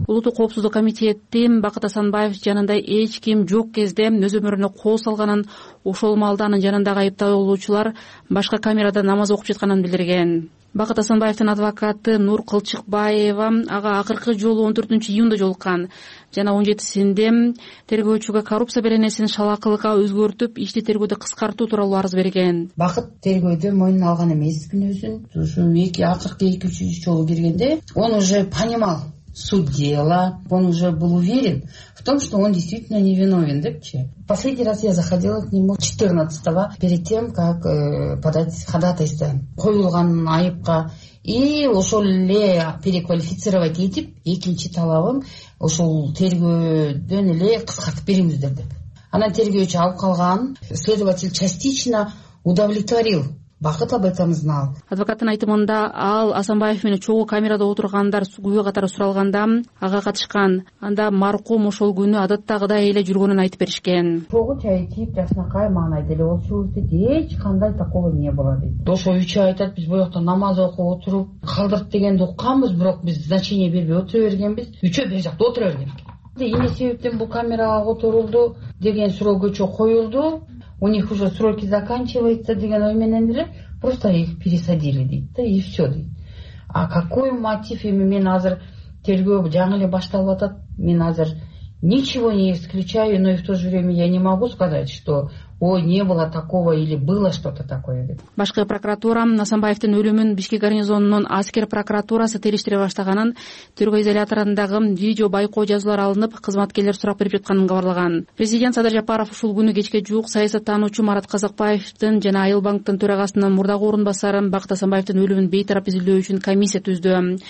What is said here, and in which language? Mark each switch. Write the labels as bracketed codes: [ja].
[ky] Улуттук коопсуздук комитеттин Бакыт Асанбаев жанында эч ким жок кезде нөзөмөрүнө кол салганын, ошол маалда анын жанындагы айыпталуучулар башка камерада намаз окуп жатканын билдирген. Бакыт Асанбаевдин адвокаты Нур Кылчыкбаева ага акыркы жолу 14 июнда жолуккан жана 17-синде тергөөчүгө коррупция беренесин шалакылыкка өзгөртүп ишти тергөөдө кыскартуу тууралуу арыз берген. Бакыт тергөөдө мойнуна алган эмес күнөөсүн. Ушу акыркы 2-3 жолу киргенде [ru] он уже понимал суть дела, он уже был уверен в том, что он действительно невиновен, [ky] депчи. [ru] Последний раз я заходила к нему 14-го, перед тем, как подать ходатайство. [ky] Коюлган айыпка И ошол эле [ru] переквалифицировать [ky] этип, экинчи талабым ошол тергөөдөн эле кыскартып бериңиздер деп. Анан тергөөчү алып калган, [ru] следователь частично удовлетворил. [ky] Бакыт абайтабызды ал. Адвокаттын айтымында ал Асанбаев менен чогуу камерада отургандар күбө катары суралганда ага катышкан. Анда маркум ошол күнү адаттагыдай эле жүргөнүн айтып беришкен. Чогуу чай ичип, жакшынакай маанайда эле отурушту эч кандай [ru] такого [ky] эмне болот дейт. Ошо үч ай айтат, биз боюкта намаз окуп отуруп калдырт дегенди укканбыз, бирок биз значение бербей отура бергенбиз. Үчөө бир жакта отура берген. Эмне себептен бул камерага которулду деген суроого чоо коюлду. [ru] У них уже сроки заканчиваются, [ky] деген ой менен эле [ru] просто их пересадили [ky] дейт [ru] да и все [ky] дейт. [ru] А какой мотив [ky] эми мен азыр тергөө жаңы эле башталып атат. Мен азыр [ru] ничего не исключаю, но и в то же время я не могу сказать, что ой, не было такого или было что-то такое [ky] деп. Башкы прокуратура Асанбаевдин өлүмүн Бишкек гарнизонунун аскер прокуратурасы териштире баштаганын, тергөө изоляторундагы видео байкоо жазулары алынып, кызматкерлер сурап берип жатканын кабарлаган. Президент Садыр Жапаров ушул күнү кечке жуук саясаттануучу Марат Казакбаевдин жана Айыл банктын төрагасынын мурдагы орун басары Бакыт Асанбаевдин өлүмүн бейтарап изилдөө үчүн комиссия түздү.